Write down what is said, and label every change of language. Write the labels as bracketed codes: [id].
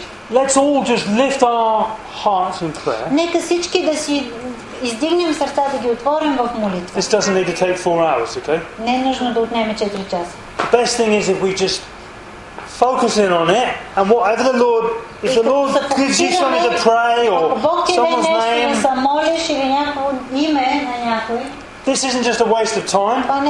[en] Let's all just lift our hearts in prayer. [bg] Нека всички да си издигнем сърца, да ги отворим в молитва. [en] This doesn't need to take 4 hours, okay? [bg] Не е нужно да отнеме 4 часа. [en] The best thing is if we just focus in on it, and whatever the Lord, if the Lord gives you something to pray or someone's name, this isn't just a waste of time.